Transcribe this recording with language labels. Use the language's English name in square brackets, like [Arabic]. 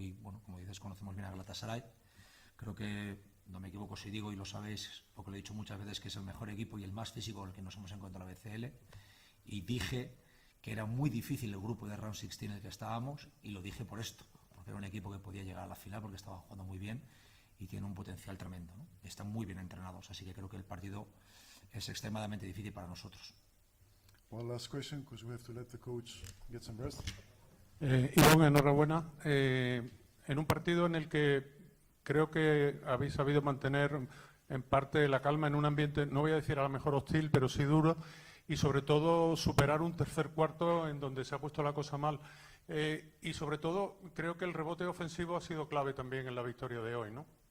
[Spanish] Y bueno, como dices, conocemos bien a Galatasaray. Creo que, no me equivoco si digo, y lo sabéis porque lo he dicho muchas veces, que es el mejor equipo y el más físico con el que nos hemos encontrado en la BCL, y dije que era muy difícil el grupo de Round 16 en el que estábamos, y lo dije por esto, porque era un equipo que podía llegar a la final porque estaba jugando muy bien y tiene un potencial tremendo, ¿no? Están muy bien entrenados, así que creo que el partido es extremadamente difícil para nosotros. [English] One last question, because we have to let the coach get some rest. [Spanish] Ivonne, enhorabuena. En un partido en el que creo que habéis sabido mantener en parte la calma en un ambiente, no voy a decir a lo mejor hostil, pero sí duro, y sobre todo superar un tercer cuarto en donde se ha puesto la cosa mal. Y sobre todo, creo que el rebote ofensivo ha sido clave también en la victoria de hoy, ¿no?